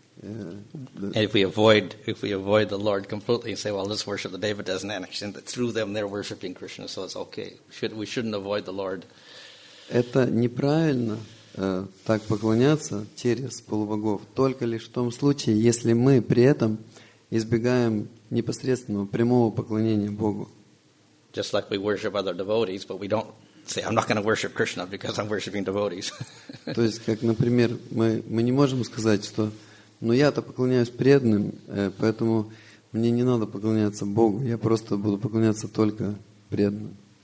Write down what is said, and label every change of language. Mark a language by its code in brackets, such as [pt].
[en] If we avoid the Lord completely and say, well, let's worship the devotees, and then through them they're worshiping Krishna, so it's okay. We shouldn't avoid the Lord. [ru] Это неправильно так поклоняться через полубогов, только лишь в том случае, если мы при этом избегаем непосредственного прямого поклонения Богу. [en] Just like we worship other devotees, but we don't say, I'm not going to worship Krishna because I'm worshiping devotees. [ru] То есть, как, например, мы не можем сказать, что, ну, я-то поклоняюсь преданным, поэтому мне не надо поклоняться Богу, я просто буду поклоняться только преданным.